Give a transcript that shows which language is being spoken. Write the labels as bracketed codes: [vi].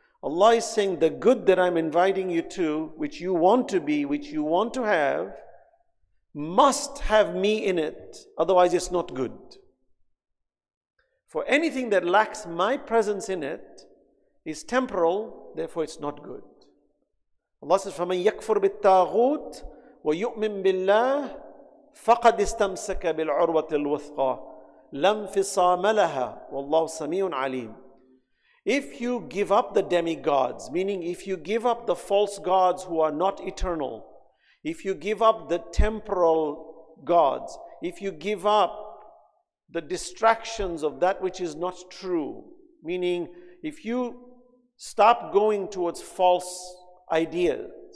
[en] Allah is saying the good that I'm inviting you to, which you want to be, which you want to have, must have me in it. Otherwise, it's not good. For anything that lacks my presence in it is temporal, therefore it's not good. Allah says, [ar] فَمَنْ يَكْفُرْ بِالتَّاغُوتِ وَيُؤْمِنْ بِاللَّهِ فَقَدْ إِسْتَمْسَكَ بِالْعُرْوَةِ الْوُثْقَى لَمْ فِصَامَ لَهَا وَاللَّهُ سَمِيعٌ عَلِيمٌ. [en] If you give up the demigods, meaning if you give up the false gods who are not eternal, if you give up the temporal gods, if you give up the distractions of that which is not true, meaning if you stop going towards false ideas.